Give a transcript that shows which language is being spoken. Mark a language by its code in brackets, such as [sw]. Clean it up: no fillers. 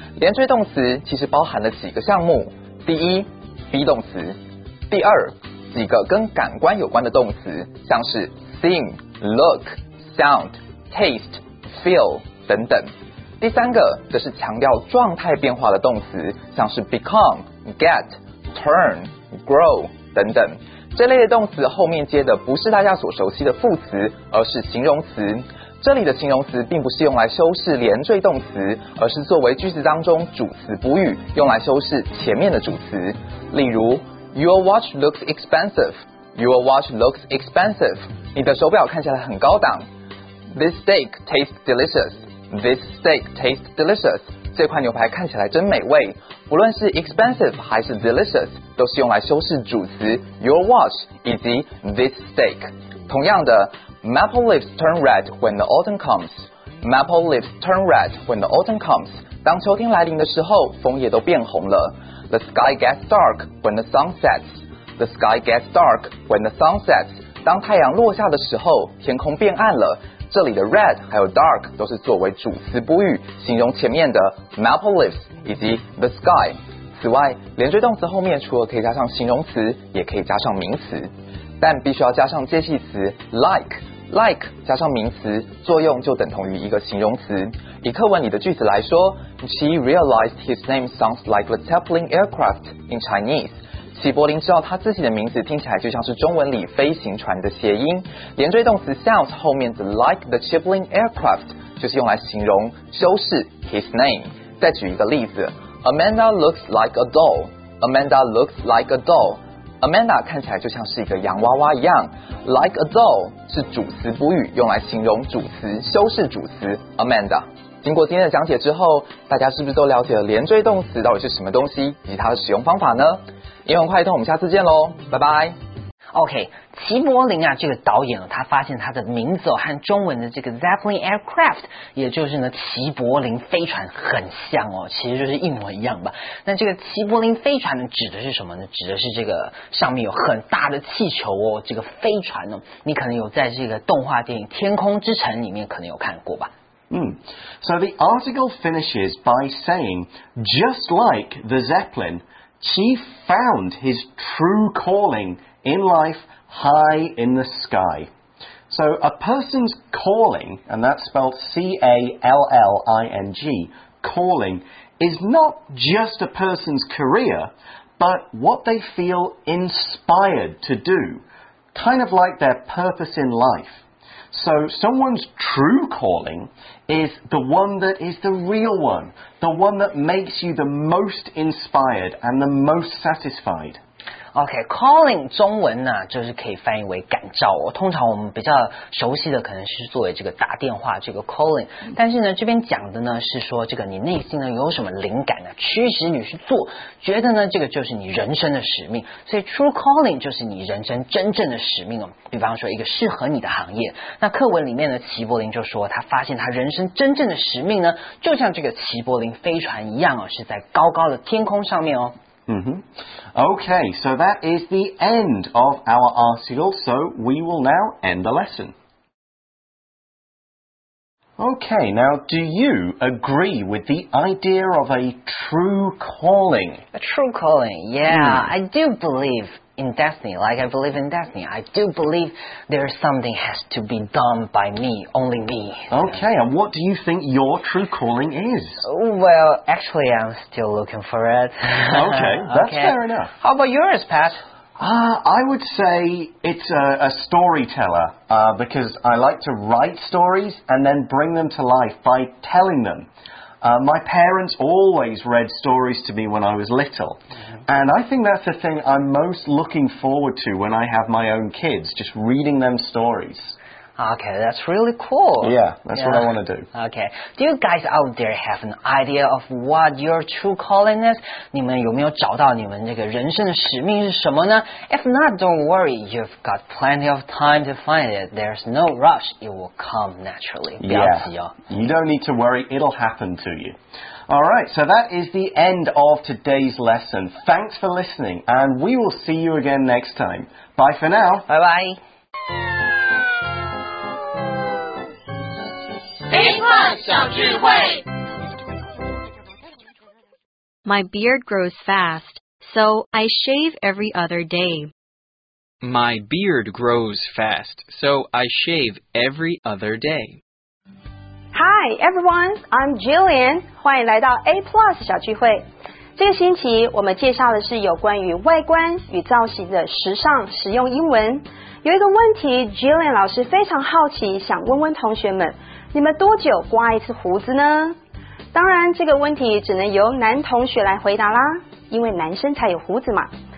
[zh] 连缀动词其实包含了几个项目，第一 be 动词，第二几个跟感官有关的动词，像是 [en] sing, look, sound, tasteFeel [zh] 等等，第三个则是强调状态变化的动词，像是 [en] become, get, turn, grow [zh] 等等。这类的动词后面接的不是大家所熟悉的副词，而是形容词。这里的形容词并不是用来修饰连缀动词，而是作为句子当中主词补语，用来修饰前面的主词。例如 [en] ，Your watch looks expensive. Your watch looks expensive. [zh] 你的手表看起来很高档。 [en] This steak tastes delicious. This steak tastes delicious. [zh] 这块牛排看起来真美味。不论是 expensive 还是 delicious， 都是用来修饰主词 your watch 以及 this steak。同样的 [en] ，maple leaves turn red when the autumn comes. Maple leaves turn red when the autumn comes. [zh] 当秋天来临的时候，枫叶都变红了。 [en] The sky gets dark when the sun sets. The sky gets dark when the sun sets. [zh] 当太阳落下的时候，天空变暗了。这里的 red 还有 dark 都是作为主词补语，形容前面的 maple leaves 以及 the sky。此外，连缀动词后面除了可以加上形容词，也可以加上名词，但必须要加上介系词 like。 like 加上名词，作用就等同于一个形容词。以课文里的句子来说 [en] ，She realized his name sounds like the Zeppelin aircraft in Chinese。 [zh] 齐柏林知道他自己的名字听起来就像是中文里飞行船的谐音，连缀动词 sounds 后面的 [en] like the Zeppelin aircraft [zh] 就是用来形容修饰 [en] his name。 [zh] 再举一个例子， [en] Amanda looks like a doll. Amanda looks like a doll. [zh] Amanda 看起来就像是一个洋娃娃一样。 [en] Like a doll [zh] 是主词补语，用来形容主词，修饰主词 Amanda。经过今天的讲解之后，大家是不是都了解了连缀动词到底是什么东西，以及它的使用方法呢？英文快通，我们下次见喽，拜拜。 OK， 齐柏林啊，这个导演他发现他的名字和中文的这个 Zeppelin Aircraft， 也就是呢齐柏林飞船很像哦，其实就是一模一样吧。那这个齐柏林飞船呢，指的是什么呢？指的是这个上面有很大的气球哦，这个飞船哦，你可能有在这个动画电影《天空之城》里面可能有看过吧。 [en] So the article finishes by saying, just like the Zeppelin, Qi found his true calling in life high in the sky. So a person's calling, and that's spelled C-A-L-L-I-N-G, calling, is not just a person's career, but what they feel inspired to do, kind of like their purpose in life. So someone's true calling is the one that is the real one, the one that makes you the most inspired and the most satisfied. [zh] Okay, calling 中文呢就是可以翻译为感召哦。通常我们比较熟悉的可能是作为这个打电话这个 calling， 但是呢这边讲的呢是说这个你内心呢有什么灵感呢驱使你去做，觉得呢这个就是你人生的使命。所以 true calling 就是你人生真正的使命哦。比方说一个适合你的行业，那课文里面呢齐柏林就说他发现他人生真正的使命呢就像这个齐柏林飞船一样哦，是在高高的天空上面哦。 [en] Okay, so that is the end of our article, so we will now end the lesson. Okay, now do you agree with the idea of a true calling? A true calling, yeah, I do believe in destiny, like I believe in destiny. I do believe there's something has to be done by me, only me. Okay, and what do you think your true calling is? Well, actually, I'm still looking for it. Okay, that's okay. Fair enough. How about yours, Pat? I would say it's a storyteller, because I like to write stories and then bring them to life by telling them. My parents always read stories to me when I was little. And I think that's the thing I'm most looking forward to when I have my own kids, just reading them stories. Okay, that's really cool. Yeah, that's what I want to do. Okay, do you guys out there have an idea of what your true calling is? [zh] 你们有没有找到你们这个人生的使命是什么呢？ [en] If not, don't worry, you've got plenty of time to find it. There's no rush, it will come naturally. Yeah, you don't need to worry, it'll happen to you. Alright, so that is the end of today's lesson. Thanks for listening, and we will see you again next time. Bye for now. Bye-bye. My beard grows fast, so I shave every other day. My beard grows fast, so I shave every other day. Hi, everyone. I'm Jillian. [zh] 欢迎来到 A Plus 小聚会。这个星期我们介绍的是有关于外观与造型的时尚实用英文。有一个问题 ，Jillian 老师非常好奇，想问问同学们。你们多久刮一次胡子呢？当然，这个问题只能由男同学来回答啦，因为男生才有胡子嘛。